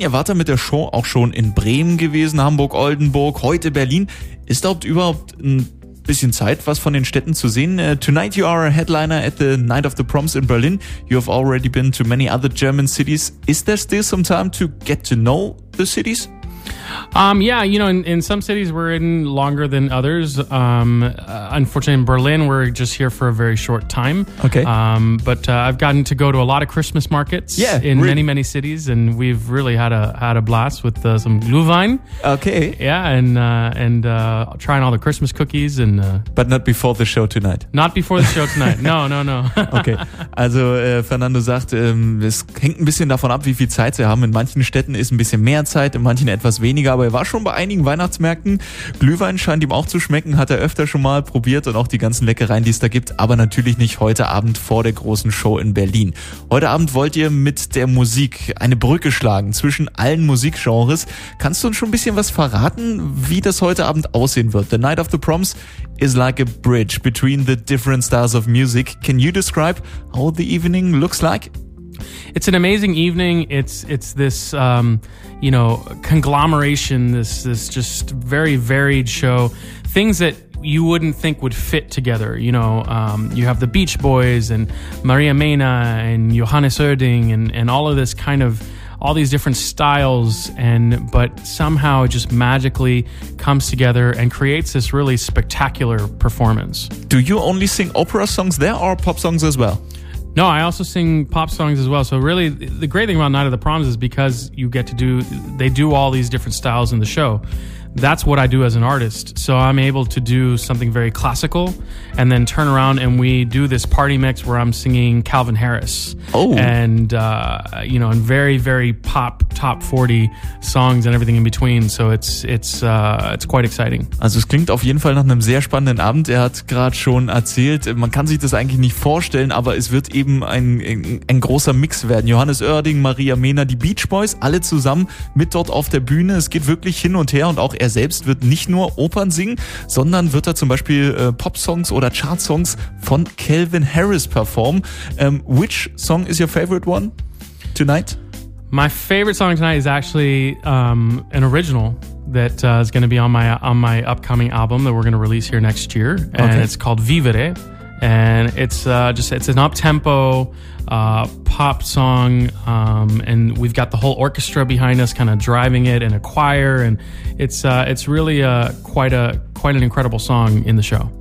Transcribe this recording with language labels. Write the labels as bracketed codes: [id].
[de] Ihr wart da mit der Show auch schon in Bremen gewesen, Hamburg, Oldenburg, heute Berlin. Ist da überhaupt ein bisschen Zeit, was von den Städten zu sehen? [en] Tonight you are a headliner at the Night of the Proms in Berlin. You have already been to many other German cities. Is there still some time to get to know the cities? In some cities we're in longer than others. Unfortunately, in Berlin, we're just here for a very short time. Okay. But I've gotten to go to a lot of Christmas markets many, many cities, and we've really had a blast with some Glühwein. Okay. Yeah, and trying all the Christmas cookies. But not before the show tonight. Not before the show tonight. No. Okay. [de] Also Fernando sagt, es hängt ein bisschen davon ab, wie viel Zeit sie haben. In manchen Städten ist ein bisschen mehr Zeit, in manchen etwas weniger. Aber er war schon bei einigen Weihnachtsmärkten. Glühwein scheint ihm auch zu schmecken, hat er öfter schon mal probiert und auch die ganzen Leckereien, die es da gibt. Aber natürlich nicht heute Abend vor der großen Show in Berlin. Heute Abend wollt ihr mit der Musik eine Brücke schlagen zwischen allen Musikgenres. Kannst du uns schon ein bisschen was verraten, wie das heute Abend aussehen wird? [en] The Night of the Proms is like a bridge between the different styles of music. Can you describe how the evening looks like? It's an amazing evening. It's this conglomeration, this just very varied show. Things that you wouldn't think would fit together. You have the Beach Boys and Maria Mena and Johannes Oerding and all of this kind of all these different styles, but somehow it just magically comes together and creates this really spectacular performance. Do you only sing opera songs there or pop songs as well? No, I also sing pop songs as well. So really, the great thing about Night of the Proms is because you get to do all these different styles in the show. That's what I do as an artist. So I'm able to do something very classical and then turn around and we do this party mix where I'm singing Calvin Harris. Oh. And very, very pop top 40 songs and everything in between. So it's quite exciting. [de] Also es klingt auf jeden Fall nach einem sehr spannenden Abend. Er hat gerade schon erzählt, man kann sich das eigentlich nicht vorstellen, aber es wird eben ein großer Mix werden. Johannes Oerding, Maria Mena, die Beach Boys, alle zusammen mit dort auf der Bühne. Es geht wirklich hin und her und auch er selbst wird nicht nur Opern singen, sondern wird er zum Beispiel Pop-Songs oder Chart-Songs von Calvin Harris performen. [en] Which song is your favorite one tonight? My favorite song tonight is actually an original that is going to be on my upcoming album that we're going to release here next year. And okay. It's called Vivere. And it's an up-tempo pop song, and we've got the whole orchestra behind us kind of driving it and a choir, and it's really quite an incredible song in the show.